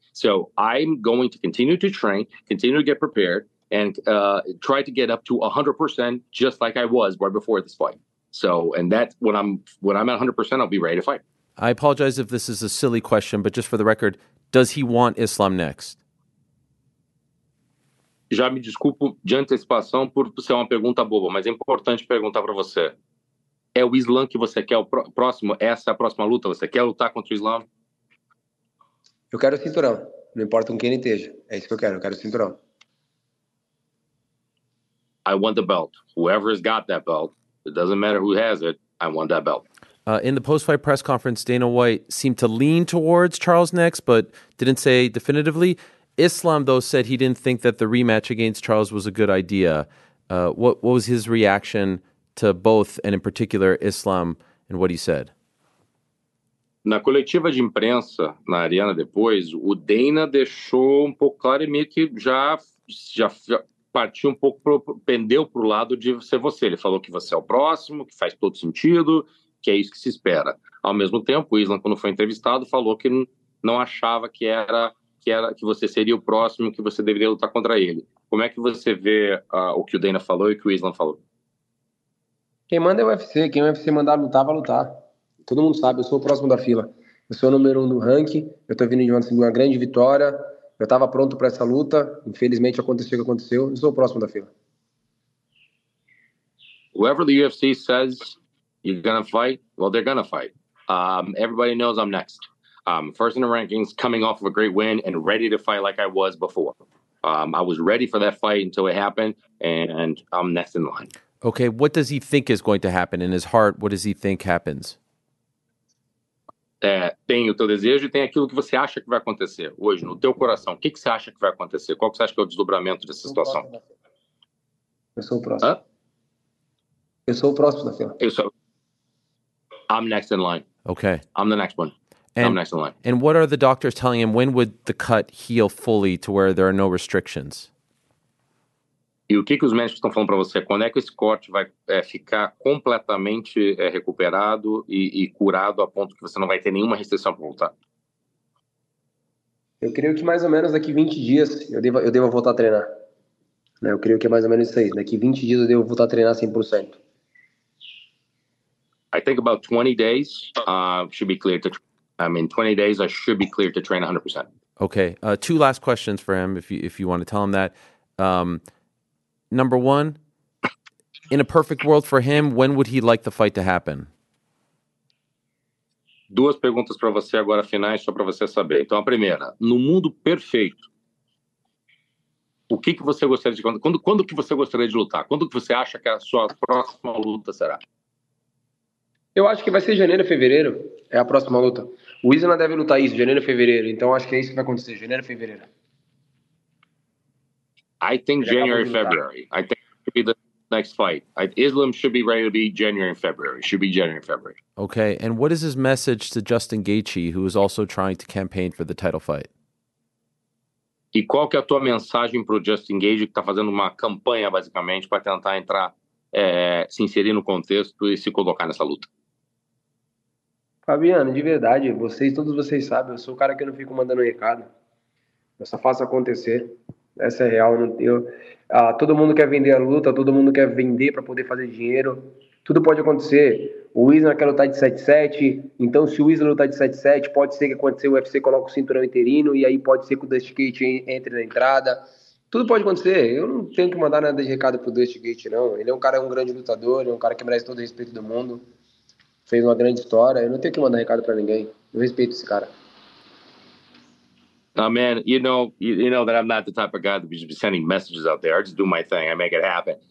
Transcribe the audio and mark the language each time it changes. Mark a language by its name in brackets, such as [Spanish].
[English] So I'm going to continue to train, continue to get prepared, and try to get up to 100%, just like I was right before this fight. So, and that's when I'm at 100%, I'll be ready to fight. I apologize if this is a silly question, but just for the record, does he want Islam next? [Portuguese] Já me desculpo de antecipação por ser uma pergunta boba, mas é importante perguntar para você. É o Islam que você quer, o próximo, essa é a próxima luta, você quer lutar contra o Islam? Eu quero o cinturão, não importa com quem ele esteja, é isso que eu quero o cinturão. [English] I want the belt, whoever has got that belt, it doesn't matter who has it, I want that belt. In the post-fight press conference, Dana White seemed to lean towards Charles next, but didn't say definitively. Islam, though, said he didn't think that the rematch against Charles was a good idea. What was his reaction to both, and in particular, Islam, and what he said? [Portuguese] Na coletiva de imprensa, na Ariana depois, o Dana deixou um pouco claro e meio que já partiu um pouco, pendeu para o lado de ser você. Ele falou que você é o próximo, que faz todo sentido, que é isso que se espera. Ao mesmo tempo, o Islam, quando foi entrevistado, falou que não achava que você seria o próximo, que você deveria lutar contra ele. Como é que você vê o que o Dana falou e o que o Islam falou? Quem manda é o UFC, quem o UFC mandar lutar, vai lutar. Todo mundo sabe, eu sou o próximo da fila. Eu sou o número um do ranking, eu tô vindo de uma grande vitória, eu tava pronto para essa luta, infelizmente aconteceu o que aconteceu, eu sou o próximo da fila. [English] Whoever the UFC says you're gonna fight, well, they're gonna fight. Everybody knows I'm next. First in the rankings, coming off of a great win and ready to fight like I was before. I was ready for that fight until it happened, and I'm next in line. Okay, what does he think is going to happen in his heart? What does he think happens? [Portuguese] Tem o teu desejo e tem aquilo que você acha que vai acontecer hoje no teu coração. O que você acha que vai acontecer? Qual que você acha que é o desdobramento dessa situação? Eu sou o próximo. Eu sou o próximo da fila. [English] I'm next in line. Okay. I'm the next one. I'm next in line. And what are the doctors telling him? When would the cut heal fully to where there are no restrictions? [Portuguese] E o que, que os médicos estão falando para você? Quando é que esse corte vai ficar completamente recuperado e curado a ponto que você não vai ter nenhuma restrição para voltar? Eu creio que mais ou menos daqui 20 dias eu devo voltar a treinar. Eu creio que é mais ou menos isso aí. Daqui 20 dias eu devo voltar a treinar 100%. [English] I think about 20 days should be clear to train. I mean, 20 days I should be clear to train 100%. Okay. Two last questions for him, if you want to tell him that. Number one, in a perfect world for him, when would he like the fight to happen? [Portuguese] Duas perguntas para você agora, finais, só para você saber. Então, a primeira, no mundo perfeito, o que, que você gostaria de... Quando que você gostaria de lutar? Quando que você acha que a sua próxima luta será? Eu acho que vai ser janeiro, fevereiro. É a próxima luta. O Islam deve lutar isso, janeiro, fevereiro. Então, acho que é isso que vai acontecer, janeiro, fevereiro. [English] I think January, February. I think it should be the next fight. Islam should be ready to be January and February. It should be January and February. Okay. And what is his message to Justin Gaethje, who is also trying to campaign for the title fight? [Portuguese] E qual que é a tua mensagem para o Justin Gaethje, que está fazendo uma campanha, basicamente, para tentar entrar, se inserir no contexto e se colocar nessa luta? Fabiano, de verdade, todos vocês sabem, eu sou o cara que não fico mandando recado. Eu só faço acontecer. Essa é real, não tenho. Todo mundo quer vender a luta, todo mundo quer vender para poder fazer dinheiro. Tudo pode acontecer. O Islam quer lutar de 7-7, então se o Islam lutar de 7-7, pode ser que aconteça, o UFC coloque o cinturão interino, e aí pode ser que o Dusty Gaethje entre na entrada. Tudo pode acontecer. Eu não tenho que mandar nada de recado pro Dusty Gaethje, não. Ele é um cara, um grande lutador, ele é um cara que merece todo o respeito do mundo. Fez uma grande história. Eu não tenho que mandar recado para ninguém. Eu respeito esse cara. [English] Oh, man, you know that I'm not the type of guy to be sending messages out there. I just do my thing. I make it happen.